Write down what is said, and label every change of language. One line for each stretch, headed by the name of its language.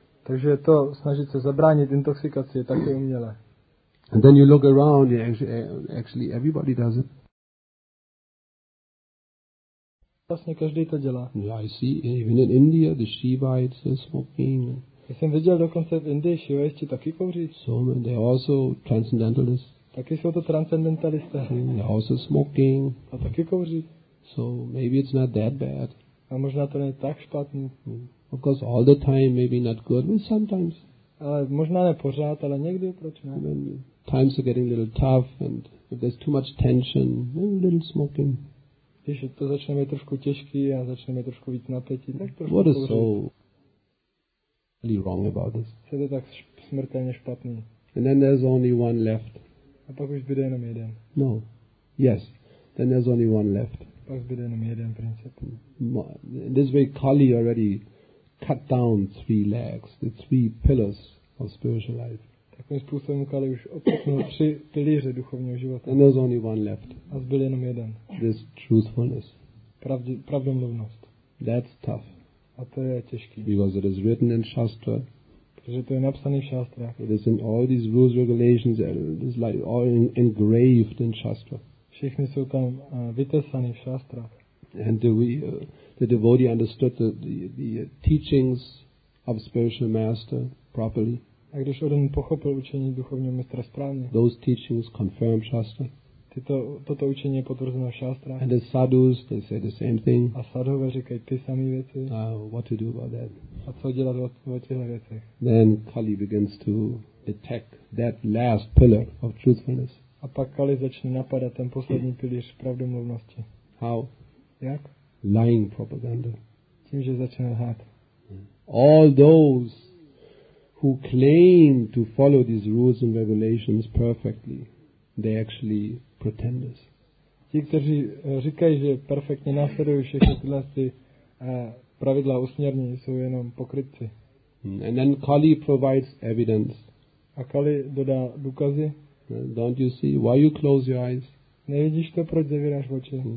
Czech: Takže to snažit se zabránit intoxikaci je také umělé.
English: And then you look around, actually everybody does it.
Czech: Vlastně každý to dělá.
English: Yeah, I see even in India the Shivites are smoking.
Czech: Já jsem viděl dokonce v Indii Shivaisti taky kouří.
English: So they are also transcendentalists.
Czech: Taky jsou to transcendentalisté.
English: They are also smoking.
Czech: A taky kouří.
English: So maybe it's not that bad.
Czech: A možná to není tak špatný.
English: Of course, all the time, maybe not good, but sometimes.
Czech: Ale možná ne pořád, ale někdy, proč ne?
English: When times are getting a little tough, and if there's too much tension, a little smoking.
Czech: Když to začne být trošku těžký a začne být trošku víc napětí, tak trošku
English: What is
Czech: kouřit.
English: So really wrong about this?
Czech: Co je to tak smrtelně špatný?
English: And then there's only one left.
Czech: A pak už bude jenom jeden.
English: No. Yes. Then there's only one left.
Czech: Pak bude jenom jeden princip.
English: In this way, Kali already... cut down three legs, the three pillars of spiritual life.
Czech: Takovým způsobem Kali už opustil tři pilíře duchovního života.
English: And there's only one left.
Czech: A zbyl jenom jeden.
English: This truthfulness.
Czech: Pravdomluvnost.
English: That's tough.
Czech: A to je těžký.
English: Because it is written in Shastra.
Czech: Protože to je napsané v Shastrách.
English: It is in all these rules, regulations, it is like all engraved in Shastra.
Czech: Všichni jsou tam vytesané v Shastrách.
English: And the devotee understood the teachings of spiritual master properly.
Czech: A když on pochopil učení duchovního mistra správně.
English: Those teachings confirmed Shastra.
Czech: Toto učení je potvrzeno v Shastrách.
English: And the sadhus, they say the same thing.
Czech: A sadhové říkají ty samé věci.
English: What to do about that?
Czech: A co dělat o těchto věcech?
English: Then Kali begins to attack that last pillar of truthfulness.
Czech: A pak Kali začne napadat ten poslední pilíř pravdomluvnosti.
English: How?
Czech: Jak?
English: Lying propaganda.
Czech: Tím, že začne lhát.
English: All those who claim to follow these rules and regulations perfectly, they actually pretenders.
Czech: Ti, kteří říkají, že perfektně následují všechny tyhle pravidla usměrnění, jsou jenom pokrytci.
English: And then Kali provides evidence.
Czech: A Kali dodá důkazy.
English: Don't you see? Why you close your eyes?
Czech: Nevidíš to, proč zavíráš oči?